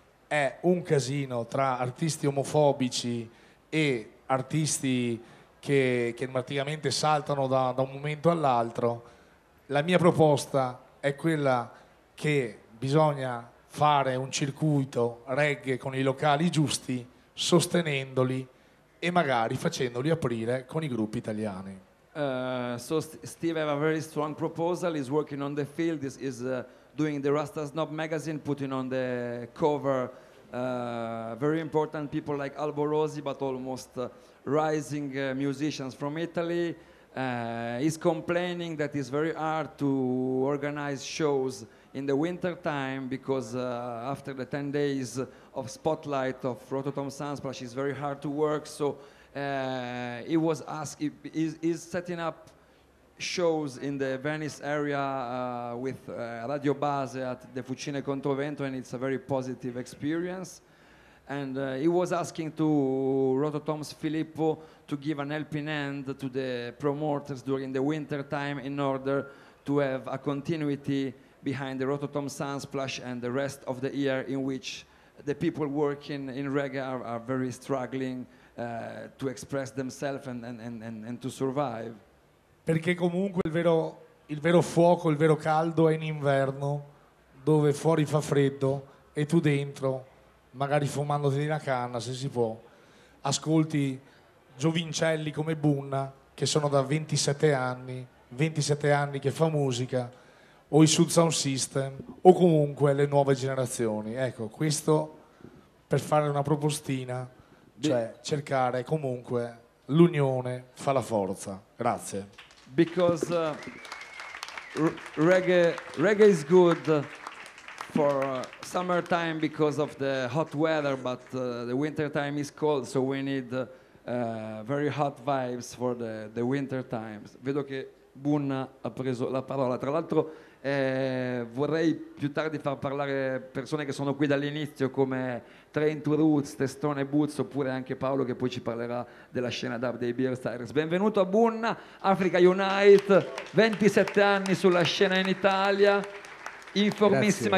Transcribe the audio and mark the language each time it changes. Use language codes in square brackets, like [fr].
[it] è un casino, tra artisti omofobici e artisti che praticamente saltano da un momento all'altro. La mia proposta è quella che bisogna fare un circuito reggae con i locali giusti, sostenendoli e magari facendoli aprire con i gruppi italiani. [en] Steve have a very strong proposal, is working on the field, is doing the Rasta Snob magazine, putting on the cover very important people like Alborosi, but almost rising musicians from Italy. He's complaining that it's very hard to organize shows in the winter time because after the 10 days of spotlight of Rototom Sunsplash, it's very hard to work. So he was asking, he's setting up shows in the Venice area with Radio Base at the Fucine Controvento, and it's a very positive experience. And he was asking to Rototom's Filippo to give an helping hand to the promoters during the winter time in order to have a continuity behind the Rototom Sunsplash and the rest of the year, in which the people working in reggae are very struggling to express themselves and to survive. [it] Perché comunque il vero fuoco, il vero caldo è in inverno, dove fuori fa freddo e tu dentro, magari fumandoti una canna, se si può, ascolti giovincelli come Bunna, che sono da 27 anni che fa musica, o i Sud Sound System, o comunque le nuove generazioni. Ecco, questo per fare una propostina, cioè cercare comunque l'unione fa la forza. Grazie. [en] Because reggae is good for summer time because of the hot weather, but the winter time is cold, so we need very hot vibes for the winter times. [it] Vedo che Bunna ha preso la parola. Tra l'altro vorrei più tardi far parlare persone che sono qui dall'inizio, come Train to Roots, Testone Boots, oppure anche Paolo, che poi ci parlerà della scena dub dei Beer Stars. Benvenuto a Bunna, Africa Unite, 27 anni sulla scena in Italia, informissima.